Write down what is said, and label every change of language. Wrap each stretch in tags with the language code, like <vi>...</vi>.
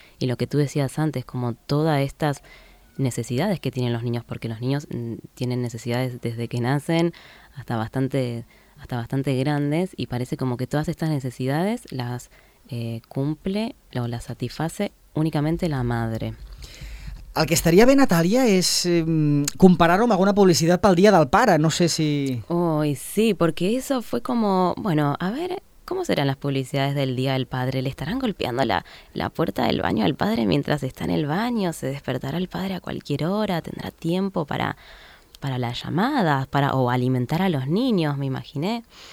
<es>Y lo que tú decías antes, como todas estas necesidades que tienen los niños, porque los niños tienen necesidades desde que nacen hasta bastante grandes, y parece como que todas estas necesidades las cumple o las satisface únicamente la madre.</es> <ca>El que estaria bé, Natàlia, és comparar-ho amb alguna publicitat pel Dia del Pare, no sé si...</ca> <es>Uy, sí, porque eso fue como, bueno, a ver, ¿cómo serán las publicidades del Día del Padre? ¿Le estarán golpeando la puerta del baño al padre mientras está en el baño? ¿Se despertará el padre a cualquier hora? ¿Tendrá tiempo para las llamadas o alimentar a los niños? Me imaginé.</es>